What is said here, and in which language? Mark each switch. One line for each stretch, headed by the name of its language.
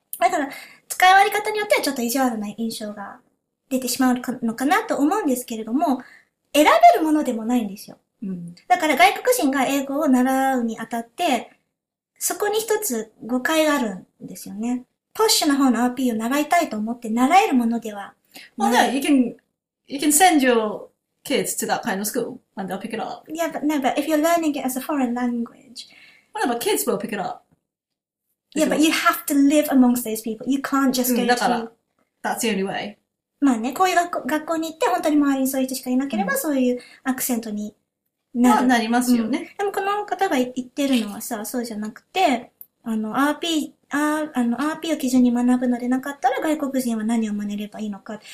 Japanese: だから、使い割り方によってはちょっと意地悪な印象が出てしまうのかなと思うんですけれども、選べるものでもないんですよ。うん、だから外国人が英語を習うにあたって、そこに一つ誤解があるんですよね。ポッシュの方の RP を習いたいと思って習えるものではない。
English: Well, no, you can send your kids to that kind of school and they'll pick it up. Yeah, but no, but if you're learning it as a foreign language. Well, but kids will pick it up. Yeah, but you have to live amongst those people. You can't just go to...
Japanese: だから、
English: that's the only way.
Japanese: まあね、こういう学校に行って本当に周りにそういう人しかいなければ、そういうアクセントに。まあ、なりますよね、うん。でもこの方が言ってるのはさ、そうじゃなくて、RP を基準に学ぶのでなかったら外国人は何を真似ればいいのか。